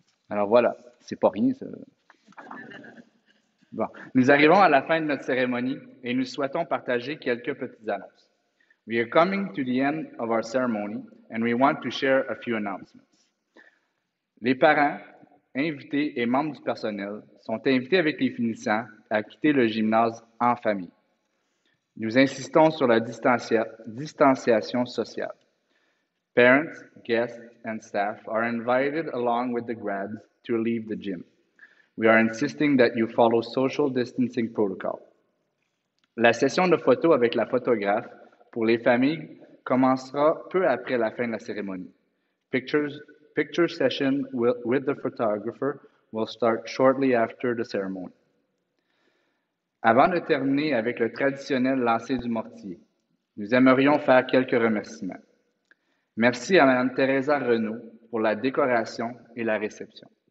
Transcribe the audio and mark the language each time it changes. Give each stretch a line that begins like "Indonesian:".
French: Alors voilà, c'est pas rien ça. Bon, nous arrivons à la fin de notre cérémonie et nous souhaitons partager quelques petites annonces.
English: We are coming to the end of our ceremony and we want to share a few announcements.
French: Les parents, invités et membres du personnel sont invités avec les finissants à quitter le gymnase en famille. Nous insistons sur la distanciation sociale.
English: Parents, guests, and staff are invited along with the grads to leave the gym. We are insisting that you follow social distancing protocol.
French: La session de photos avec la photographe pour les familles commencera peu après la fin de la cérémonie.
English: Picture session with the photographer will start shortly after the ceremony.
French: Avant de terminer avec le traditionnel lancer du mortier, nous aimerions faire quelques remerciements. Merci à Mme Teresa Renault pour la décoration et la réception.